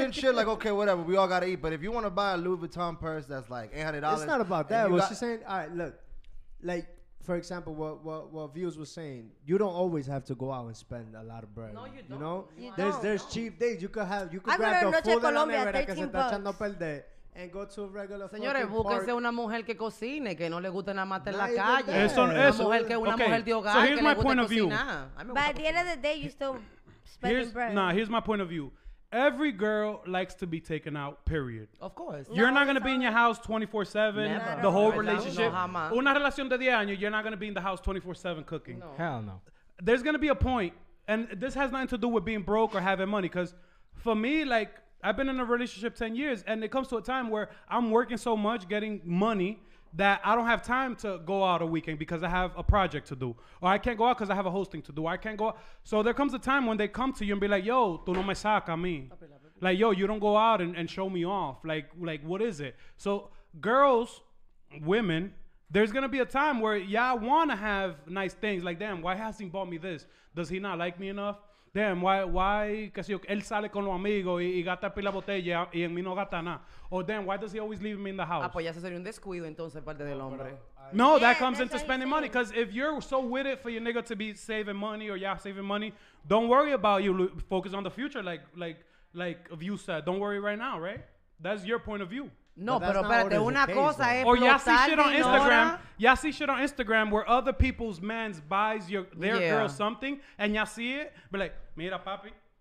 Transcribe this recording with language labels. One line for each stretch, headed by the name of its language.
English: and shit, like, okay, whatever, we all gotta eat. But if you wanna buy a Louis Vuitton purse that's like $800, it's not about that. What she's saying, all right, look, like, for example, what Views was saying, you don't always have to go out and spend a lot of bread. No, you don't. You know, there's cheap days. You could grab the food in America and go to a regular fucking park.
Spanish: Señores, búsquense una mujer que cocine, que no le guste nada más en la calle. Eso. Una mujer que es una mujer de hogar,
English: so here's
Spanish: que le guste cocinar.
English: But at the end of the day, you're still spending bread. Nah, here's my point of view. Every girl likes to be taken out, period. Of course. You're not going to be in your house 24-7, never. The whole relationship.
Spanish: Una relación de 10 años,
English: you're not going to be in the house 24-7 cooking. No. Hell no. There's going to be a point, and this has nothing to do with being broke or having money, because for me, like, I've been in a relationship 10 years, and it comes to a time where I'm working so much, getting money, that I don't have time to go out a weekend because I have a project to do. Or I can't go out because I have a hosting to do. Or I can't go out. So there comes a time when they come to you and be like,
Spanish: yo, tú no me sacas a mí.
English: Like, yo, you don't go out and show me off. Like, what is it? So girls, women, there's going to be a time where, yeah, I want to have nice things. Like, damn, why has he bought me this? Does he not like me enough? Damn, why,
Spanish: que si, él sale con los amigos y gasta pila botella y en mí no gasta nada.
English: Or damn, why does he always leave me in the house?
Spanish: Ah, pues ya se sería un descuido entonces parte del hombre.
English: No, yeah, that comes into spending money. Because if you're so with it for your nigga to be saving money or y'all saving money, don't worry about you. Focus on the future, like you said. Don't worry right now, right? That's your point of view.
Spanish: No, pero espérate, una cosa es
English: or y'all see shit on Instagram. Y'all see shit on Instagram where other people's mans buys their girl something and y'all see it, be like,
Spanish: mira papi.